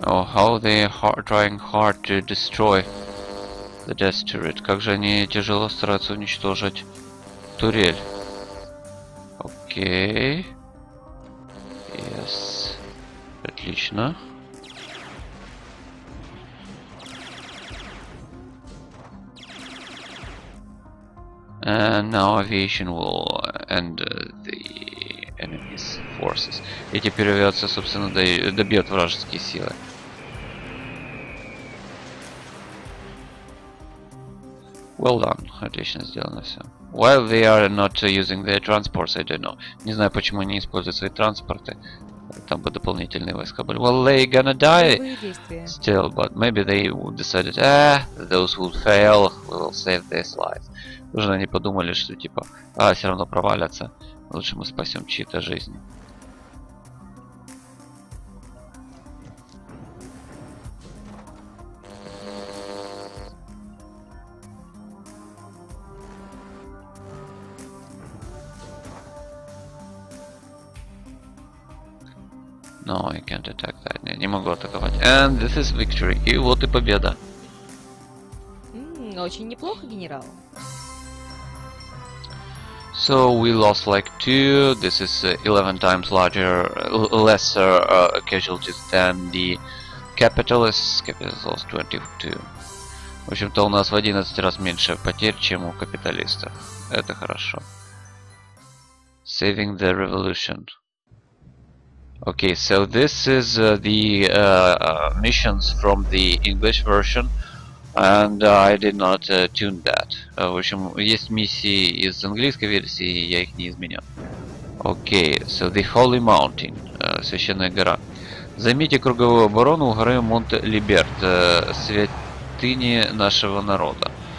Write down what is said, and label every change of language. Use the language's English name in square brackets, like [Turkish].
[English] Oh, how they are trying hard to destroy the Death Turret. [Russian] Как же они тяжело стараются уничтожить турель. Окей. [English] Okay. Yes. [Russian] Отлично. [English] And now aviation will end the enemy's forces. [Russian] И теперь авиация, собственно, добьет вражеские силы. [English] Well done. [Russian] Отлично сделано все. [English] While they are not using their transports, I don't know. [Russian] Не знаю, почему они используют свои транспорты. Там бы дополнительные войска были. [English] Well, they gonna die still, but maybe they decided, those who fail will save their lives. [Russian] Уже они подумали, что типа, все равно провалятся. Лучше мы спасем чьи-то жизни. [English] No, I can't attack that. [Russian] Не могу атаковать. [English] And this is victory. [Russian] И вот и победа. Очень неплохо, генерал. [English] So we lost like two. This is 11 times larger, lesser casualties than the capitalists. Capitalists lost 22. [Russian] В общем-то, у нас в 11 раз меньше потерь, чем у капиталистов. Это хорошо. [English] Saving the revolution. Okay, so this is the missions from the English version, and I did not tune that. [Russian] В общем, есть миссии из английской версии, я их не изменял. [English] Okay, so the Holy Mountain, [Russian] Священная гора. Займите круговую оборону у горы Монт-Либерт, святыни нашего народа.